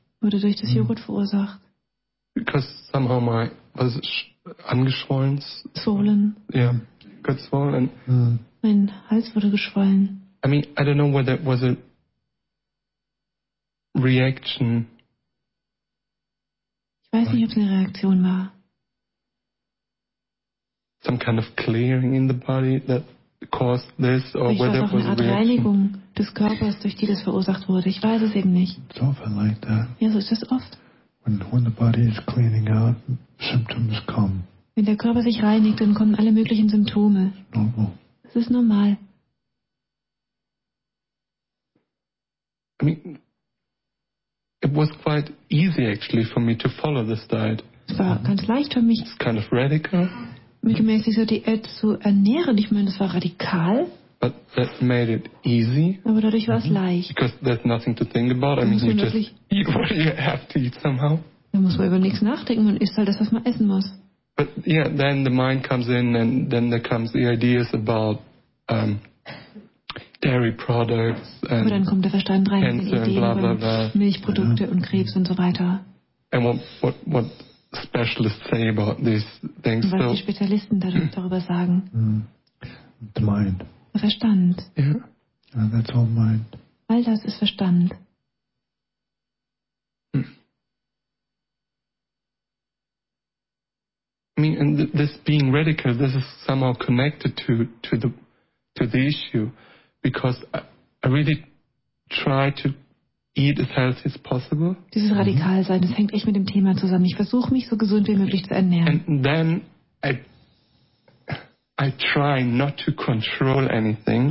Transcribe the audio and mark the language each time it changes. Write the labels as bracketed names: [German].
[German] Wurde durch das Joghurt verursacht. [English] Because somehow my was angeschwollen. Swollen. Yeah, got swollen. [German] Mein Hals wurde geschwollen. [English] I mean, I don't know whether it was a reaction. [German] Ich weiß nicht, ob es eine Reaktion war. [English] Some kind of clearing in the body that caused this, or whether it was a reaction. [German] Ich weiß auch, eine Art Reinigung des Körpers, durch die das verursacht wurde. Ich weiß es eben nicht. [English] It's often like that. [German] Ja, so ist das oft. [English] When the body is cleaning out, symptoms come. [German] Wenn der Körper sich reinigt, dann kommen alle möglichen Symptome. [English] Normal. [German] Das ist normal. [English] I mean, it was quite easy actually for me to follow this diet. [German] Es war ganz leicht für mich. [English] It's kind of radical. [German] Mittelmäßig so dieser Diät zu ernähren. Ich meine, es war radikal. [English] But that made it easy. [German] Aber dadurch war es leicht. [English] Because there's nothing to think about. I mean, you just eat what you have to eat somehow. [German] Da muss man über nichts nachdenken und isst halt das, was man essen muss. [English] But yeah, then the mind comes in and then there comes the ideas about dairy products and [German] aber dann kommt der Verstand rein mit Ideen [English] blah, blah, blah. [German] Milchprodukte und Krebs und so weiter. [English] And what specialists say about these things. [German] Was die Spezialisten darüber sagen. [English] The mind. [German] Verstand. [English] Yeah. Yeah, that's all mind. [German] All das ist Verstand. [English] I mean, and this being radical, this is somehow connected to the issue, because I really try to eat as healthy as possible. [German] Dieses Radikalsein, das hängt echt mit dem Thema zusammen. Ich versuche mich so gesund wie möglich zu ernähren. [English] And then I try not to control anything.